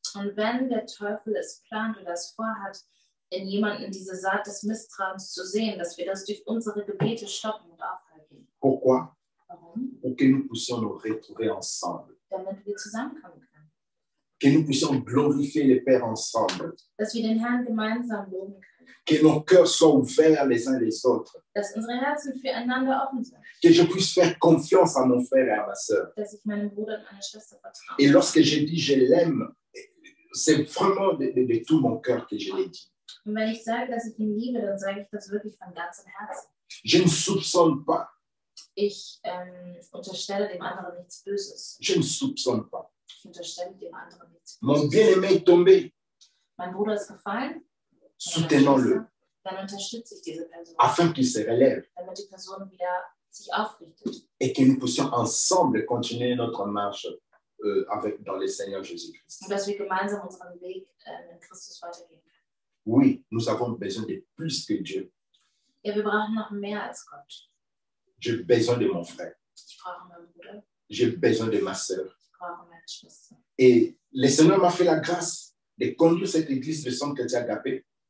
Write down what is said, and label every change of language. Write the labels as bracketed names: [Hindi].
[German] Und wenn der Teufel es plant oder es vorhat, in jemanden diese Saat des Misstrauens zu sehen, dass wir das durch unsere Gebete stoppen und aufhalten. [French] Pourquoi? [German] Warum? [French] Pour que nous puissions nous retrouver ensemble. [German] Damit wir zusammenkommen können. [French] Que nous puissions glorifier le Père ensemble. [German] Dass wir den Herrn gemeinsam loben können. [French] Que nos cœurs soient ouverts les uns les autres. [German] Dass unsere Herzen füreinander offen sind. [French] Que je puisse faire confiance à mon frère et à ma sœur. [German] Dass ich meinem Bruder und meiner Schwester vertraue. [French] Et lorsque je dis je l'aime, c'est vraiment de tout mon cœur que je l'ai dit. [German] Und wenn ich sage, dass ich ihn liebe, dann sage ich das wirklich von ganzem Herzen. [French] Je ne soupçonne pas. [German] Ich unterstelle dem anderen nichts Böses. [French] Je ne soupçonne pas. [German] Ich unterstelle dem anderen nichts. [French] Mon bien-aimé est tombé. [German] Mein Bruder ist gefallen. [French] Soutenons-le. [German] Dann unterstütze ich diese Person. [French] Afin qu'il se relève. [German] Damit die Person wieder sich aufrichtet. [French] Et que nous puissions ensemble continuer notre marche avec dans le Seigneur Jésus-Christ. [German] Und dass wir gemeinsam unseren Weg in Christus weitergehen können. [French] Oui, nous avons besoin de plus que Dieu. [German] Ja, wir brauchen noch mehr als Gott. [French] J'ai besoin de mon frère. [German] Ich brauche meinen Bruder. [French] J'ai besoin de ma sœur. Oh, et le Seigneur m'a fait la grâce de conduire cette église de Centre Chrétien Agape.